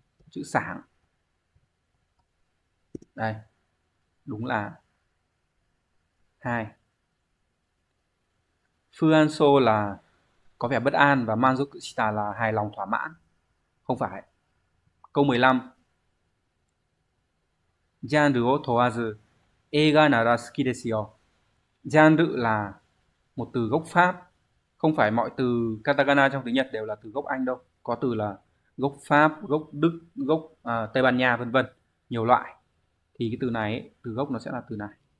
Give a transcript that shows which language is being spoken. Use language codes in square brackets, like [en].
[vi] Chữ sảng. Đây. Đúng là hai. Fuanso là có vẻ bất an và manzokushita là hài lòng thỏa mãn. Không phải. Câu 15. [ja] Genre を問わず映画なら好きですよ. [vi] Genre là một từ gốc Pháp. Không phải mọi từ katakana trong tiếng Nhật đều là từ gốc Anh đâu. Có từ là gốc Pháp, gốc Đức, gốc Tây Ban Nha vân vân, nhiều loại. Thì cái từ này ấy, từ gốc nó sẽ là từ này.